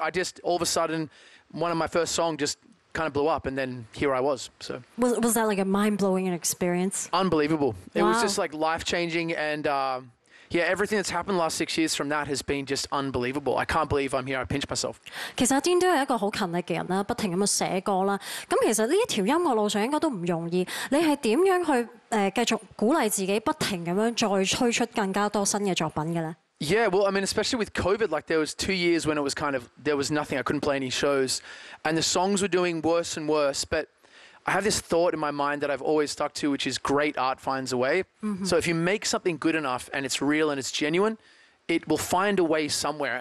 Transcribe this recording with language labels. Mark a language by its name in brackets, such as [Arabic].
[English] I just, all of a sudden, one of my first songs just... kind of blew up, and then here I was. So was that like a mind-blowing experience? Unbelievable. It was just like life-changing, and everything that's happened the last 6 years from that has been just unbelievable. I can't believe I'm here. I pinch myself. [Cantonese] 其實 Dean 都係一個好勤力嘅人啦，不停咁樣寫歌啦。咁其實呢一條音樂路上應該都唔容易。你係點樣去繼續鼓勵自己，不停咁樣再推出更加多新嘅作品嘅咧？ [English] Yeah, well, I mean, especially with COVID, like there was 2 years when it was kind of, there was nothing, I couldn't play any shows. And the songs were doing worse and worse. But I have this thought in my mind that I've always stuck to, which is great art finds a way. Mm-hmm. So if you make something good enough and it's real and it's genuine, it will find a way somewhere.